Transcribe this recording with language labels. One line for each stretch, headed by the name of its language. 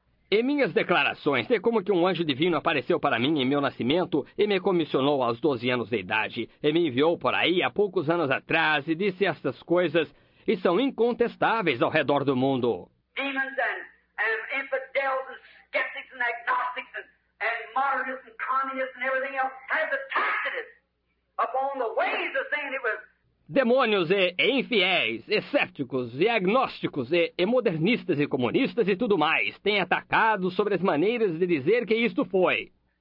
Portuguese: E minhas declarações de como que um anjo divino apareceu para mim em meu nascimento e me comissionou aos 12 anos de idade e me enviou por aí há poucos anos atrás e disse essas coisas e são incontestáveis ao redor do mundo.
English: Demons and infidels and skeptics and agnostics and modernists and communists and everything else has attacked us upon the ways of saying it was.
Portuguese: Demônios e infiéis, e céticos, e agnósticos, e modernistas e comunistas e tudo mais têm atacado sobre as maneiras de dizer que isto foi.